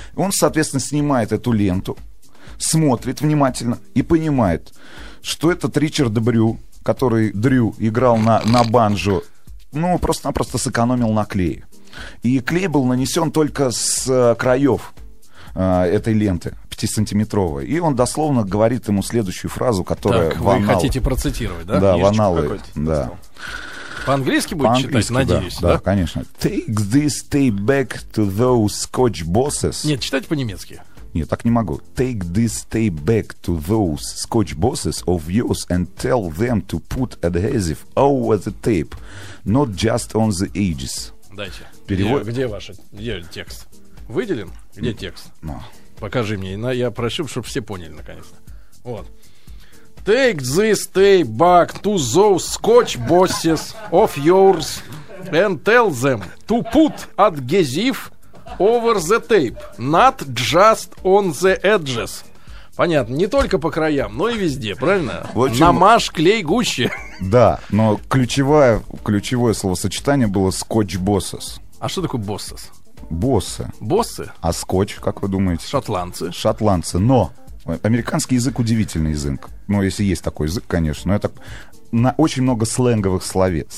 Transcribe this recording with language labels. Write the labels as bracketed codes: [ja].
[ru] Он, соответственно, снимает эту ленту, смотрит внимательно и понимает, что этот Ричард Брю, который Дрю играл на банджо, ну, просто-напросто сэкономил на клее. И клей был нанесен только с краев этой ленты. 5-сантиметровый. И он дословно говорит ему следующую фразу, которая в аналы. Так, вы хотите процитировать, да? Да, в аналы. Да. По-английски будет по-английски, читать, да, надеюсь? Да, да, конечно. [en] Take this tape back to those scotch bosses. [ru] Нет, читать по-немецки. Нет, так не могу. [en] Take this tape back to those scotch bosses of yours and tell them to put adhesive over the tape, not just on the edges. [ru] Дайте. Перевод. Где ваш текст? Выделен? Где текст? Ну, покажи мне, я прошу, чтобы все поняли наконец-то. Вот. [en] Take this tape back to those scotch bosses of yours and tell them to put adhesive over the tape, not just on the edges. [ru] Понятно, не только по краям, но и везде, правильно? Общем, намажь клей гуще. Да, но ключевое словосочетание было scotch bosses. А что такое bosses? Боссы. Боссы? А скотч, как вы думаете? Шотландцы. Шотландцы. Но американский язык удивительный язык. Ну, если есть такой язык, конечно. Но это на очень много сленговых словес.